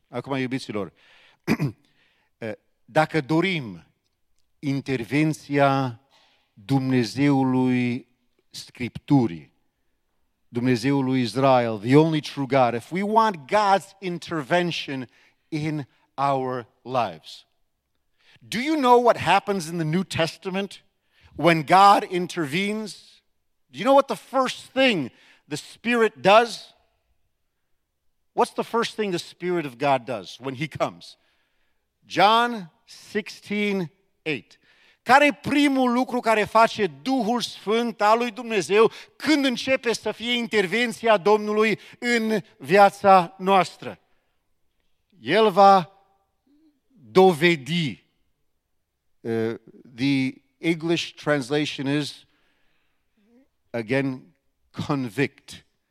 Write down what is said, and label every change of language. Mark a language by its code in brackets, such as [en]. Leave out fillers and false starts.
[ro] Acum, iubiților, dacă dorim intervenția Dumnezeului Scripturii, Dumnezeului Israel, [en] the only true God, if we want God's intervention in our lives. Do you know what happens in the New Testament when God intervenes? Do you know what the first thing the Spirit does? What's the first thing the Spirit of God does when He comes? John 16:8. [ro] Care primul lucru care face Duhul Sfânt al lui Dumnezeu când începe să fie intervenția Domnului în viața noastră? El va dovedi. [en] The English translation is, again, convict.